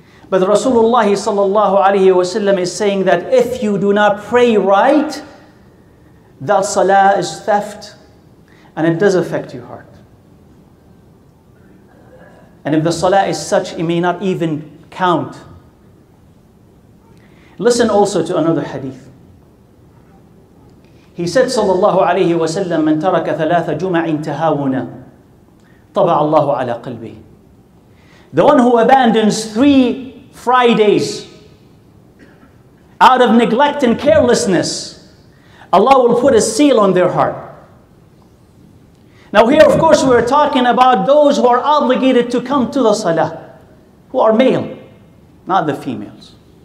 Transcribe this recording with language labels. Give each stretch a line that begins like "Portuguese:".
English: But Rasulullah sallallahu alayhi wa sallam is saying that if you do not pray right, that salah is theft and it does affect your heart. And if the salah is such, it may not even count. Listen also to another hadith. He said sallallahu alayhi wa sallam,
Arabic: من ترك ثلاثة جمع تهاونا طبع الله على قلبه.
English: The one who abandons three Fridays out of neglect and carelessness, Allah will put a seal on their heart. Now here of course we're talking about those who are obligated to come to the salah, who are male, not the females.